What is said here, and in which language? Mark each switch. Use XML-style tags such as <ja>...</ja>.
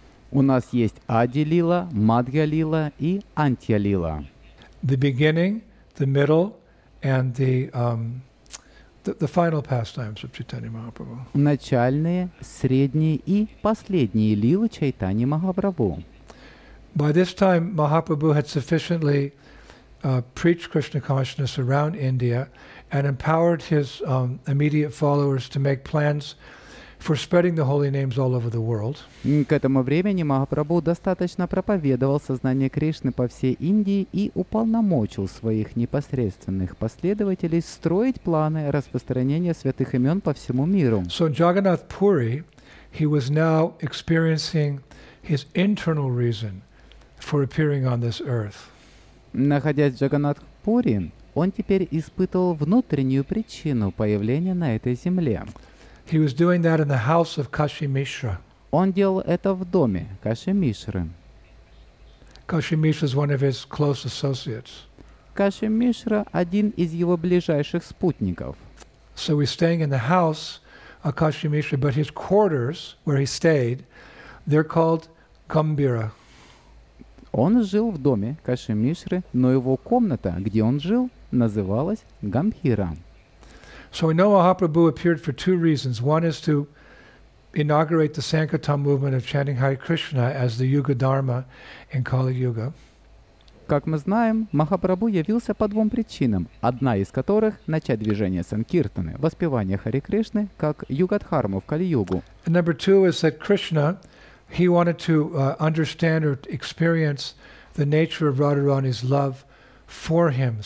<ru>У нас есть Adi Lila, Madhya Lila и Anchalila.</ru> <en>The beginning, the middle, and the final pastimes of Chaitanya Mahaprabhu.</en> <ru>Начальные, средние и последние лилы Чайтаньи Махапрабху.</ru> <en>By this time, Mahaprabhu had sufficiently preached Krishna consciousness around India and empowered his immediate followers to make plans for spreading the holy names all over the world.</en> <ru>К этому времени Махапрабху достаточно проповедовал сознание Кришны по всей Индии и уполномочил своих непосредственных последователей строить планы распространения святых имен по всему миру.</ru> <en>So Jagannath Puri, he was now experiencing his internal reason for appearing on this earth.</en> <ru>Находясь в Джаганнатхпури, он теперь испытывал внутреннюю причину появления на этой земле.</ru> <en>He was doing that in the house of Кашимишра.</en> <ru>Он делал это в доме Кашимишры.</ru> <en>Кашимишра is one of his close associates.</en> <ru>Кашимишра один из его ближайших спутников.</ru> <en>So he's staying in the house of Кашимишра, but his quarters, where he stayed, they're called Камбира.</en> <ru>Он жил в доме Кашимишры, но его комната, где он жил, называлась Гамбхира.</ru> <en>So we know Mahaprabhu appeared for two reasons. One is to inaugurate the Sankirtan movement of chanting Hare Krishna as the Yuga Dharma in Kali Yuga.</en> <ru>Как мы знаем, Махапрабху явился по двум причинам, одна из которых – начать движение Санкиртаны, воспевание Харе Кришны, как Юга-Дхарму в Кали-Югу.</ru> <en>And number two is that Krishna, he wanted to understand or experience the nature of Radharani's love for him.</en>